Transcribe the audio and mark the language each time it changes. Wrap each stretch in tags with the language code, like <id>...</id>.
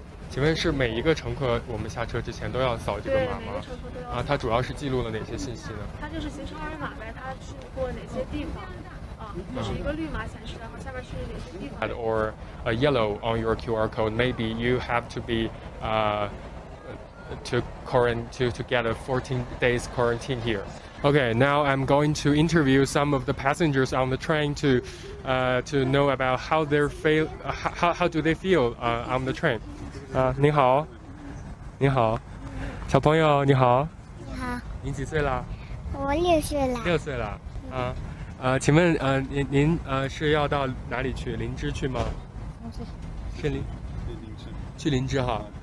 <zh>请问是每一个乘客我们下车之前都要扫这个码吗？啊，它主要是记录了哪些信息呢？它就是行程二维码呗，它去过哪些地方，啊，这是一个绿码显示的，然后下面是哪些地方。</zh> <en>Or a yellow on your QR code, maybe you have to be to get a 14 days quarantine here. Okay, now I'm going to interview some of the passengers on the train to know about how they're feel on the train.</en> <zh>您好，小朋友，您好，您几岁了？我六岁了。请问您是要到哪里去？林芝去吗？去林芝哈。</zh>